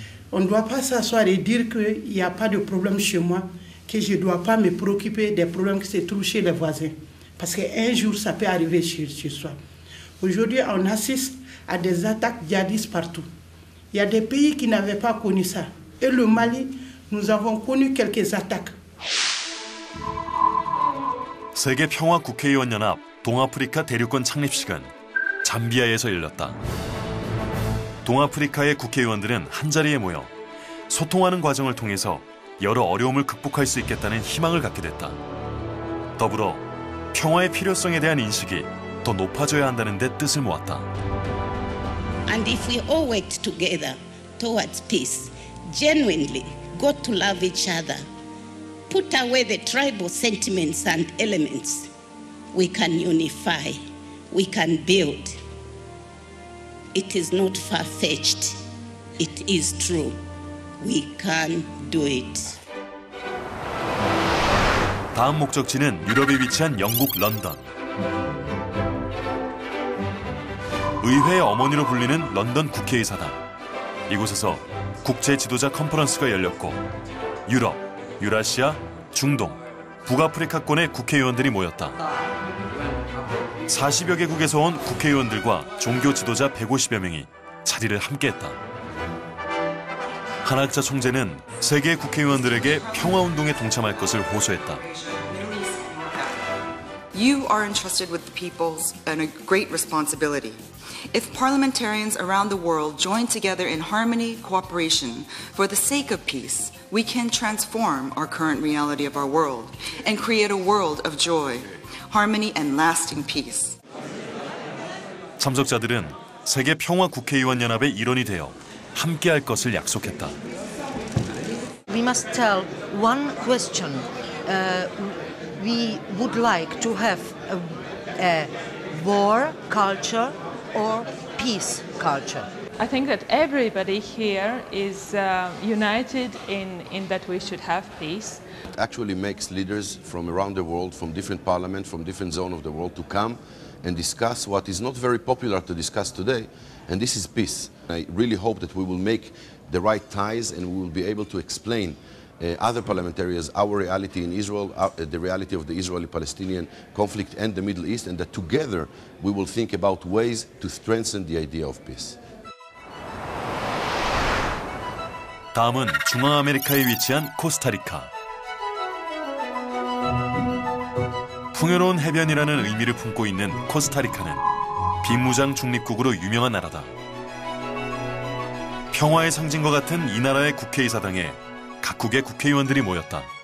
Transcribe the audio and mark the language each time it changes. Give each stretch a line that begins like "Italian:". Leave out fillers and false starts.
French: On ne doit pas s'asseoir et dire qu'il n'y a pas de problème chez moi, que je ne dois pas me préoccuper des problèmes qui se trouvent chez les voisins, parce qu'un jour, ça peut arriver chez soi. Aujourd'hui, on assiste à des attaques djihadistes partout. Il y a des pays qui n'avaient pas connu ça. Et le Mali, nous avons connu quelques attaques.
Korean: 세계 평화 국회의원 연합 동아프리카 대륙권 창립식은 잠비아에서 열렸다. 동아프리카의 국회의원들은 한 자리에 모여 소통하는 과정을 통해서 여러 어려움을 극복할 수 있겠다는 희망을 갖게 됐다. 더불어 평화의 필요성에 대한 인식이 더 높아져야 한다는 데 뜻을 모았다.
English: And if we all work together towards peace, genuinely go to love each other, put away the tribal sentiments and elements, we can unify, we can build. It is not far-fetched. It is true. We can do it.
Korean: 다음 목적지는 유럽에 위치한 영국 런던. 의회의 어머니로 불리는 런던 국회의사당. 이곳에서 국제 지도자 컨퍼런스가 열렸고 유럽, 유라시아, 중동, 북아프리카권의 국회의원들이 모였다. 40여 개국에서 온 국회의원들과 종교 지도자 150여 명이 자리를 함께했다. 한학자 총재는 세계 국회의원들에게 평화운동에 동참할 것을 호소했다.
English: You are entrusted with the peoples and a great responsibility. If parliamentarians around the world join together in harmony, cooperation, for the sake of peace, we can transform our current reality of our world and create a world of joy, harmony and lasting peace.
Korean: 참석자들은 세계 평화 국회의원 연합의 일원이 되어 함께할 것을 약속했다.
English: We must tell one question. We would like to have a war culture or peace culture. I think that everybody here is united in that we should have peace. It actually makes leaders from around the world, from different parliaments, from different zones of the world to come and discuss what is not very popular to discuss today, and this is peace. I really hope that we will make the right ties and we will be able to explain other parliamentarians our reality in Israel, the reality of the Israeli-Palestinian conflict and the Middle East, and that together we will think about ways to strengthen the idea of peace.
Korean: 다음은 중앙아메리카에 위치한 코스타리카. 풍요로운 해변이라는 의미를 품고 있는 코스타리카는 비무장 중립국으로 유명한 나라다. 평화의 상징과 같은 이 나라의 국회의사당에 각국의 국회의원들이 모였다.